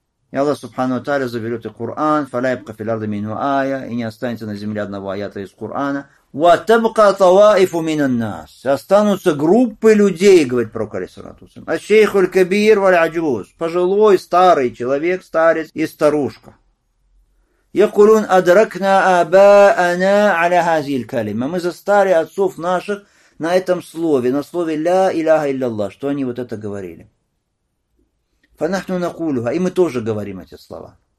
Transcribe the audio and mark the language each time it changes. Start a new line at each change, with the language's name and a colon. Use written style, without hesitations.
Russian: И Аллах Субхану Тааля заберет и Кур'ан,
Arabic: фаляйбка филярда мину ая,
Russian: и не останется на земле одного аята из Кур'ана.
Arabic: Ва табка таваифу минан нас.
Russian: Останутся группы людей, говорит пророк алейхиссалатусалям.
Arabic: А шейхуль кабир валь аджуз.
Russian: Пожилой, старый человек, старец и старушка.
Arabic: يقولون أدركنا آباءنا على هذه الكلمة.
Russian: Мы застали отцов наших на этом слове, на слове ля иляха илляллах, что они вот это говорили.
Arabic: فنحن نقولها.
Russian: И мы тоже говорим эти слова.